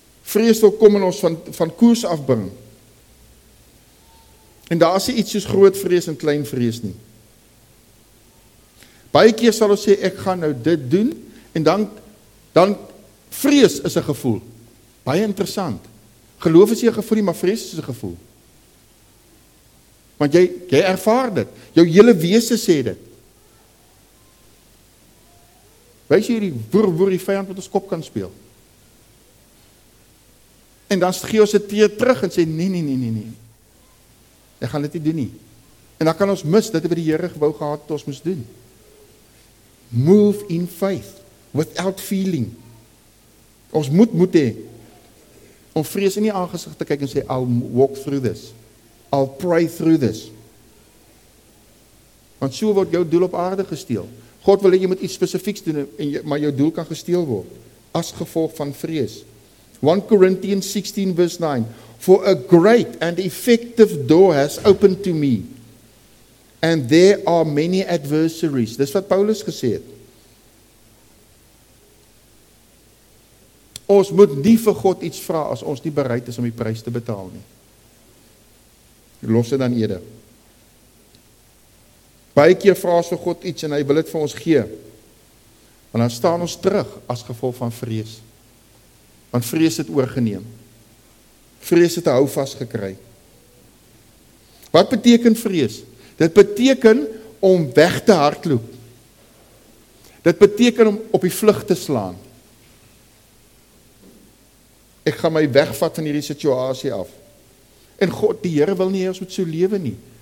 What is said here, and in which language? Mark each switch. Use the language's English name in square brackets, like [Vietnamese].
[Afrikaans] Vrees wil kom en ons van koers afbring. En daar is iets soos groot vrees en klein vrees nie. Baie keer sal ons sê, ek gaan nou dit doen, en dan vrees is 'n gevoel. Baie interessant. Geloof is nie 'n gevoel nie, maar vrees is 'n gevoel. Want jy ervaar dit. Jou hele wese sê dit. Wees jy hierdie woer die vyand wat ons kop kan speel. En dan gee ons dit terug en sê, nee. Ek gaan dit nie doen nie. En dan kan ons mis, dit het by die Here gewou gehad, wat ons moes doen. [English] Move in faith, without feeling. [Afrikaans] Ons moet hê, om vrees in die aangesig te kyk en sê, [English] I'll walk through this. [Afrikaans] I'll pray through this. Want so word jou doel op aarde gesteel. God wil dat jy moet iets spesifieks doen, maar jou doel kan gesteel word, as gevolg van vrees. [English] 1 Corinthians 16 verse 9, for a great and effective door has opened to me, and there are many adversaries. [Afrikaans] Dis wat Paulus gesê het. Ons moet nie vir God iets vra as ons nie bereid is om die prys te betaal nie. Los dit dan eerder. Baie keer vra ons vir God iets en hy wil dit vir ons gee. Maar dan staan ons terug as gevolg van vrees. Want vrees het oorgeneem. Vrees het 'n hou vas gekry. Wat beteken vrees? Dit beteken om weg te hardloop. Dit beteken om op die vlug te slaan. Ek gaan my wegvat van hierdie situasie af. En God, die Here wil nie hê ons moet so lewe nie.